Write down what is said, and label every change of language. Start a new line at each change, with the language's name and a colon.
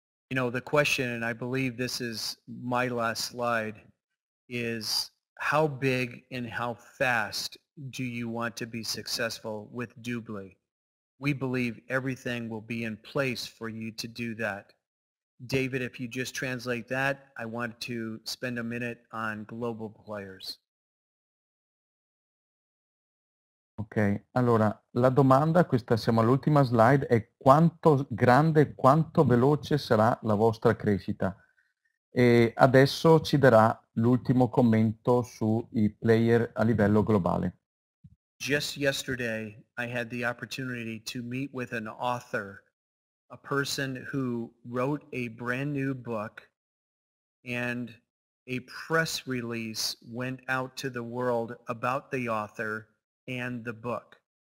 English: You know, the question, and I believe this is my last slide, is how big and how fast do you want to be successful with Dubly? We believe everything will be in place for you to do that. David, if you just translate that, I want to spend a minute on global players.
Italian: Ok, allora la domanda, questa siamo all'ultima slide, è quanto grande, quanto veloce sarà la vostra crescita? E adesso ci darà l'ultimo commento sui player a livello globale.
English: Just yesterday, I had the opportunity to meet with an author, a person who wrote a brand new book, and a press release went out to the world about the author and the book.